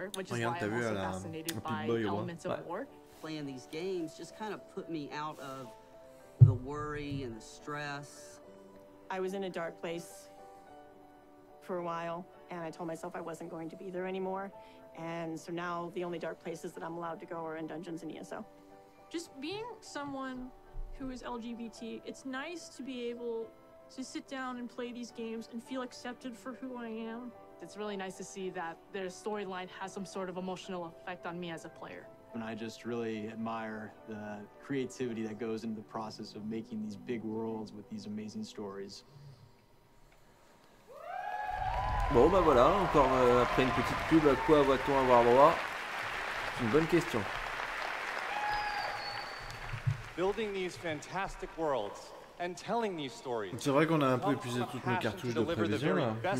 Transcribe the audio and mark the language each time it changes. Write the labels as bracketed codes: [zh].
[fr] Regarde, t'as vu, elle a un Pip Boy au [en] playing these games just kind of put me out of the worry and the stress. I was in a dark place for a while, and I told myself I wasn't going to be there anymore. And so now the only dark places that I'm allowed to go are in dungeons and ESO. Just being someone who is LGBT, it's nice to be able to sit down and play these games and feel accepted for who I am. It's really nice to see that their storyline has some sort of emotional effect on me as a player. And I just really admire the creativity that goes into the process of making these big worlds with these amazing stories. [fr] Bon bah voilà, encore après une petite pub, à quoi va-t-on avoir droit? C'est une bonne question. [en] Building these fantastic worlds and telling these stories. [fr] C'est vrai qu'on a un peu épuisé toutes nos cartouches de prévision là.